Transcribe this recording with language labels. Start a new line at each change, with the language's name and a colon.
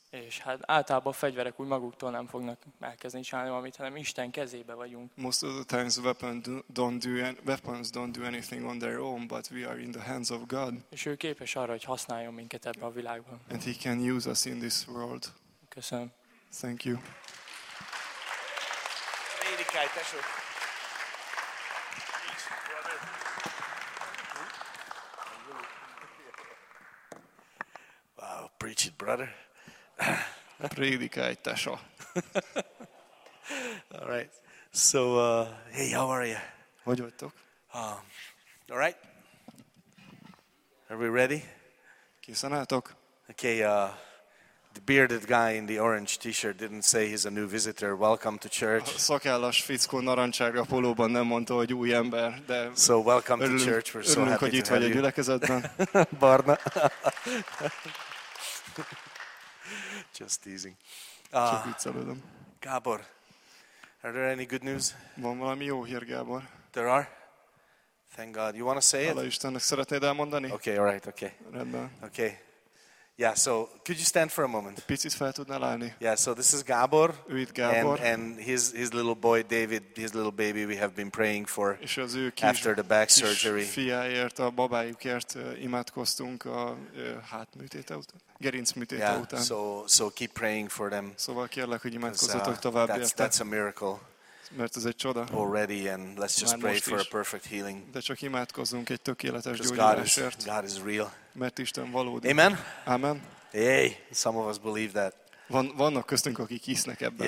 Hungarian: És hát általában a fegyverek úgy maguktól nem fognak elkezdeni csinálni valamit, hanem Isten kezébe vagyunk.
English: Most of the times weapons don't do anything on their own, but we are in the hands of God.
Hungarian: És ő képes arra, hogy használjon minket ebben a világban.
English: And he can use us in this world.
Hungarian: Köszönöm.
English: Thank you.
Hungarian: Érikály, tesó.
English: Wow, preach it, brother.
Hungarian: Prédikálj, tesó.
English: All right. So, hey, how are you?
Hungarian: Hogy vagytok?
English: All right. Are we ready?
Hungarian: Készen álltok?
English: Okay, the bearded guy in the orange t-shirt didn't say he's a new visitor. Welcome to church.
Hungarian: A szakállas fickó narancsárga pólóban nem mondta, hogy új ember, de
English: so welcome to church. We're so happy
Hungarian: hogy itt
English: to have
Hungarian: vagy
English: you.
Hungarian: A gyülekezetben. Barna.
English: Just teasing. Gábor, are there any good news?
Hungarian: Van valami jó hír, Gábor?
English: There are. Thank God. You want to say it?
Hungarian: Hála Istennek, szeretnéd elmondani?
English: Okay, all right, okay.
Hungarian: Rendben.
English: Okay. Yeah, so could you stand for a moment?
Hungarian: Picit fel tudnál állni?
English: Yeah, so this is Gábor.
Hungarian: Ő itt Gábor.
English: And his little boy David, his little baby we have been praying for.
Hungarian: És az ő kis,
English: after the back surgery.
Hungarian: Fiáért, a babájukért imádkoztunk a hátműtéte után. Gerincműtéte
English: yeah,
Hungarian: után.
English: So keep praying for them.
Hungarian: Szóval kérlek, hogy imádkozzatok tovább érte.
English: That's a miracle.
Hungarian: Mert ez egy csoda.
English: Already, and let's just pray for a perfect healing.
Hungarian: De csak imádkozzunk egy tökéletes gyógyulásért.
English: God is real.
Hungarian: Mert Isten valódi.
English: Amen.
Hungarian: Amen.
English: Yay. Some of us believe that.
Hungarian: Vannak köztünk, akik hisznek ebben.